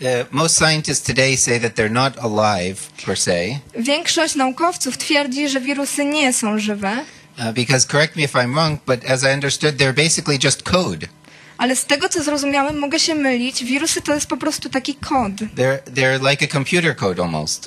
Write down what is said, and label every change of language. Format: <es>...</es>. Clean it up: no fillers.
<en>Most scientists today say that they're not alive per se.</en> <pl>Większość naukowców twierdzi, że wirusy nie są żywe.</pl> <en>Because correct me if I'm wrong, but as I understood, they're basically just code.</en> <pl>Ale z tego co zrozumiałem, mogę się mylić. Wirusy to jest po prostu taki kod.</pl> <en>They're like a computer code almost.</en>